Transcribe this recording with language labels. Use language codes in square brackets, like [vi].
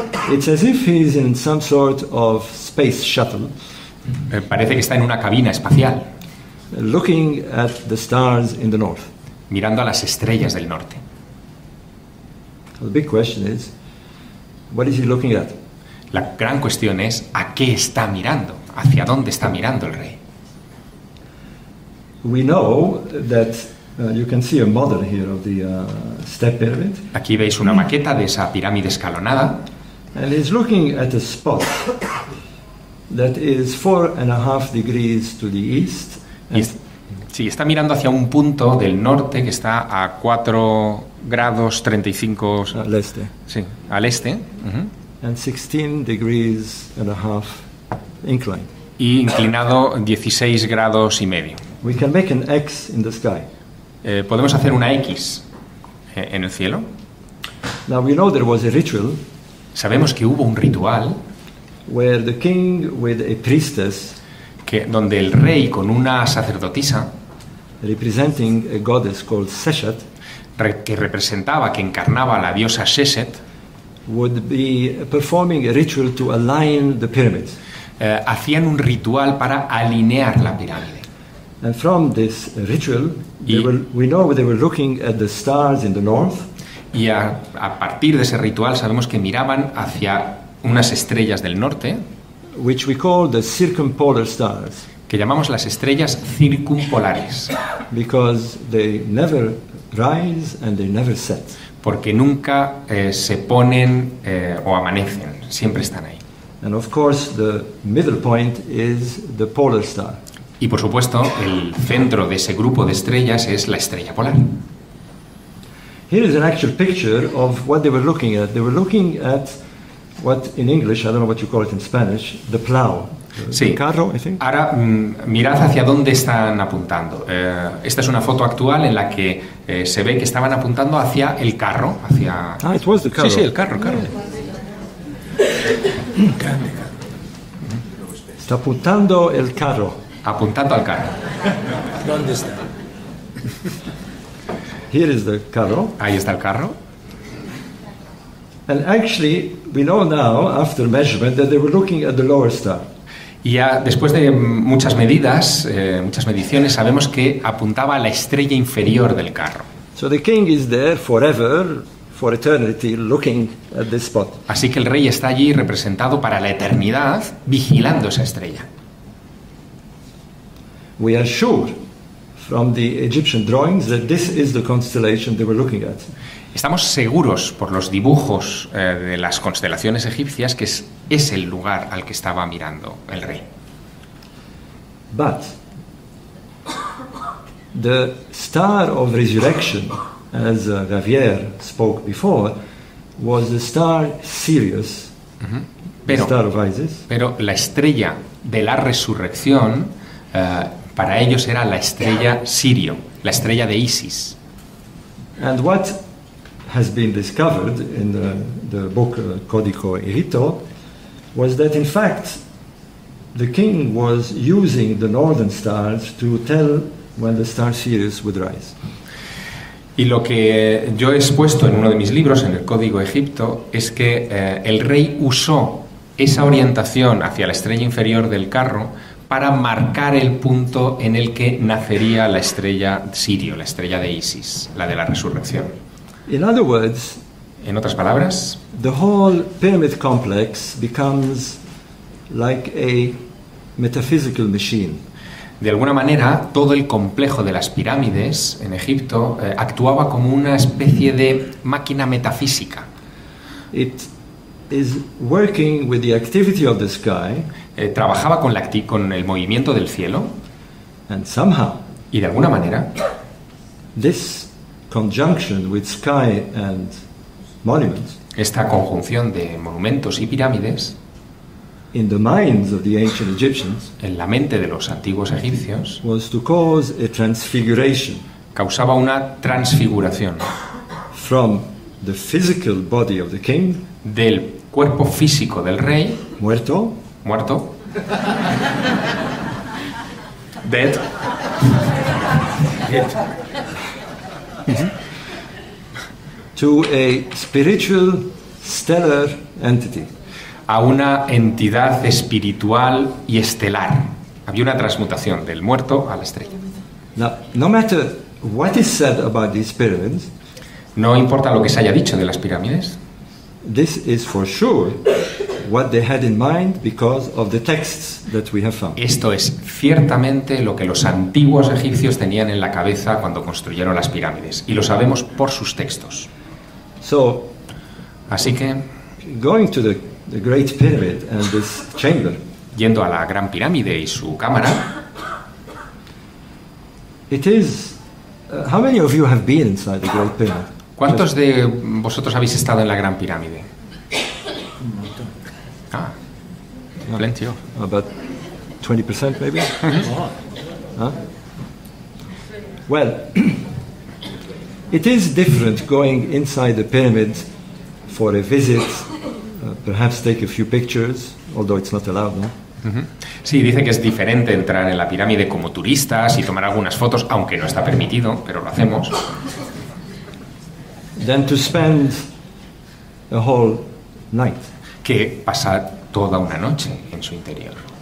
[en] It's as if he's in some sort of space shuttle. [es] Parece que está en una cabina espacial. [en] Looking at the stars in the north. [es] Mirando a las estrellas del norte. [en] The big question is, what is he looking at? [es] La gran cuestión es, ¿a qué está mirando? ¿Hacia dónde está mirando el rey? [en] We know that. You can see a model here of the step pyramid. [es] Aquí veis una maqueta de esa pirámide escalonada. [en] And he's looking at a spot that is 4.5 degrees to the east. [es] Sí, está mirando hacia un punto del norte que está a 4 grados 35 al este. Sí, al este. [en] And 16.5 degrees incline. [es] Y inclinado 16.5 grados. [en] We can make an X in the sky. [es] Podemos hacer una X en el cielo. [en] Now we know there was a ritual. [es] Sabemos que hubo un ritual [en] where the king with a priestess, [es] que donde el rey con una sacerdotisa, [en] representing a goddess called Seshet, [es] que representaba, que encarnaba a la diosa Seshet, [en] would be performing a ritual to align the pyramids. [es] Hacían un ritual para alinear la pirámide. [en] And from this ritual, we know they were looking at the stars in the north. [es] Y a partir de ese ritual sabemos que miraban hacia unas estrellas del norte, [en] which we call the circumpolar stars. [es] Que llamamos las estrellas circumpolares. [en] Because they never rise and they never set. [es] Porque nunca se ponen o amanecen. Siempre están ahí. [en] And of course, the middle point is the polar star. [es] Y por supuesto, el centro de ese grupo de estrellas es la estrella polar. [en] Here is an actual picture of what they were looking at. They were looking at what in English, I don't know what you call it in Spanish, the plow. [es] Sí. El carro, en fin. Ahora, mirad hacia dónde están apuntando. Esta es una foto actual en la que se ve que estaban apuntando hacia el carro. Hacia... [en] Ah, it was the car. [es] Sí, sí, el carro, el carro. Está apuntando el carro. Apuntando al carro. ¿Dónde está? [en] Here is the carro. [es] Ahí está el carro. [en] And actually, we know now, after measurement, that they were looking at the lower star. [es] Y ya después de muchas medidas, muchas mediciones, sabemos que apuntaba a la estrella inferior del carro. [en] So the king is there forever, for eternity, looking at this spot. [es] Así que el rey está allí representado para la eternidad, vigilando esa estrella. [en] We are sure from the Egyptian drawings that this is the constellation they were looking at. [es] Estamos seguros por los dibujos de las constelaciones egipcias que es el lugar al que estaba mirando el rey. [en] But the star of resurrection, as Javier spoke before, was the star Sirius, [es] pero, [en] the star of Isis. [es] Pero la estrella de la resurrección para ellos era la estrella Sirio, la estrella de Isis. [en] And what has been discovered in the book Codico Egipto was that in fact the king was using the northern stars to tell when the star Sirius would rise. [es] Y lo que yo he expuesto en uno de mis libros, en el Código Egipto, es que el rey usó esa orientación hacia la estrella inferior del carro para marcar el punto en el que nacería la estrella Sirio, la estrella de Isis, la de la resurrección. [en] In other words, [es] en otras palabras, [en] the whole pyramid complex becomes like a metaphysical machine. [es] De alguna manera, todo el complejo de las pirámides en Egipto actuaba como una especie de máquina metafísica. [en] It is working with the activity of the sky. [es] Trabajaba con el movimiento del cielo. [en] And somehow, [es] y de alguna manera, [en] this conjunction with sky and monuments, [es] esta conjunción de monumentos y pirámides, [en] in the minds of the ancient Egyptians, [es] en la mente de los antiguos egipcios, [en] was to cause a transfiguration, [es] causaba una transfiguración, [en] from the physical body of the king, [es] del cuerpo físico del rey, muerto, [en] dead. To a spiritual stellar entity. [es] A una entidad espiritual y estelar. Había una transmutación del muerto a la estrella. [en] Now, no matter what is said about these pyramids, [es] no importa lo que se haya dicho de las pirámides. [en] This is for sure what they had in mind because of the texts that we have found. [es] Esto es ciertamente lo que los antiguos egipcios tenían en la cabeza cuando construyeron las pirámides, y lo sabemos por sus textos. [en] So, [es] así que [en] going to the great pyramid and this chamber, [es] yendo a la gran pirámide y su cámara. [en] It is how many of you have been inside the great pyramid? [es] ¿Cuántos de vosotros habéis estado en la gran pirámide? [en] Plenty of. About 20% maybe. Huh? Well, it is different going inside the pyramid for a visit, perhaps take a few pictures, although it's not allowed, no? [es] Sí, dice que es diferente entrar en la pirámide como turistas y tomar algunas fotos, aunque no está permitido, pero lo hacemos. [en] Than to spend a whole night. [es] Que pasar toda una noche en su interior.